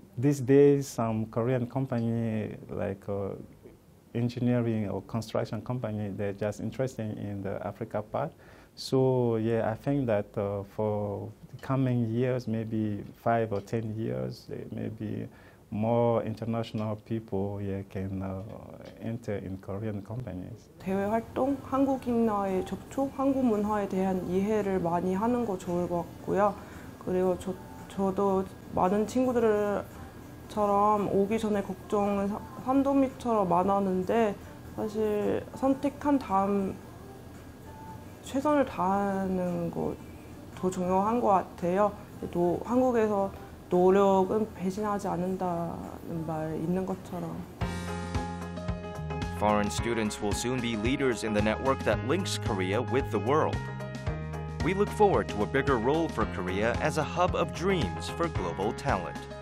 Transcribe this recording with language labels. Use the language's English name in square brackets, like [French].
[English] These days, some Korean company, like engineering or construction company, they're just interested in the Africa part. So yeah, I think that for the coming years, maybe 5 or 10 years, maybe more international people can enter in Korean companies. [Korean] 대외 활동, 한국인과의 접촉, 한국 문화에 대한 이해를 많이 하는 거 좋을 것 같고요. 그리고 저도 많은 친구들을 처럼 오기 전에 걱정은 산더미처럼 많았는데 사실 선택한 다음 최선을 다하는 거 더 중요한 것 같아요. 또 한국에서 노력은 배신하지 않는다는 말 있는 것처럼. [English] Foreign students will soon be leaders in the network that links Korea with the world. We look forward to a bigger role for Korea as a hub of dreams for global talent.